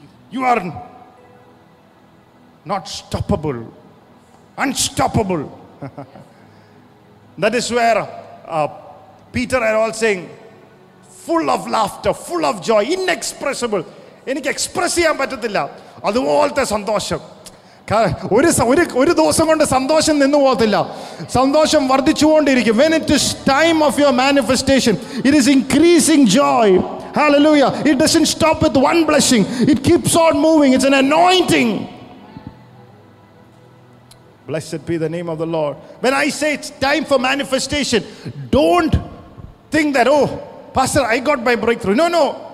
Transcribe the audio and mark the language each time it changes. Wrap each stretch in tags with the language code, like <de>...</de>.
<en>You are not stoppable. unstoppable. That is where Peter and all saying, full of laughter, full of joy, inexpressible.</en> <ml>എനിക്ക് express ചെയ്യാൻ പറ്റത്തില്ല അതുപോലത്തെ സന്തോഷം. ഒരു ഒരു ദിവസം കൊണ്ട് സന്തോഷം നിന്നു പോകത്തില്ല, സന്തോഷം വർദ്ധിച്ചുകൊണ്ടിരിക്കും.</ml> <en>When it is time of your manifestation, it is increasing joy. Hallelujah. It doesn't stop with one blessing. It keeps on moving. It's an anointing. Blessed be the name of the Lord. When I say it's time for manifestation, don't think that, oh, Pastor, I got my breakthrough. No, no.</en>